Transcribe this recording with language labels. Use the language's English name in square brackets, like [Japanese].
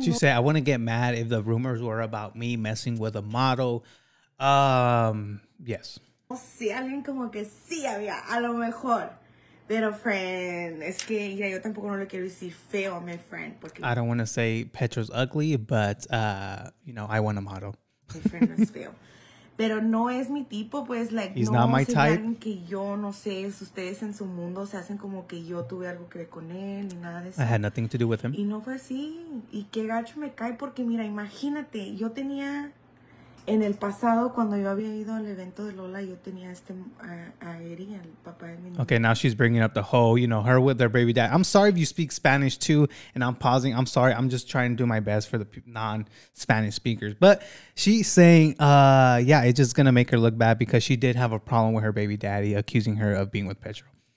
[English] She said, I want to get mad if the rumors were about me messing with a model. Yes. [Spanish] O sea, alguien como que sí había, a lo mejor. Pero, friend, es que ya yo tampoco no le quiero decir feo a mi friend. Porque [English] I don't want to say Petro's ugly, but, you know, I want a model. [Spanish] Mi friend no es feo. Pero no es mi tipo, pues, like, [English] he's [Spanish] no [English] not my type. [Spanish] Que yo no sé, si ustedes en su mundo se hacen como que yo tuve algo que ver con él, ni nada de eso. [English] I had nothing to do with him. [Spanish] Y no fue así. Y qué gacho me cae, porque mira, imagínate, yo tenía... En el pasado, cuando yo había ido al evento de Lola, yo tenía este a Eri, el papá de mi niño. [English] Okay, now she's bringing up the whole, you know, her with their baby dad. I'm sorry if you speak Spanish too, and I'm pausing. I'm sorry. I'm just trying to do my best for the non-Spanish speakers. But she's saying, yeah, it's just going to make her look bad because she did have a problem with her baby daddy accusing her of being with Petro.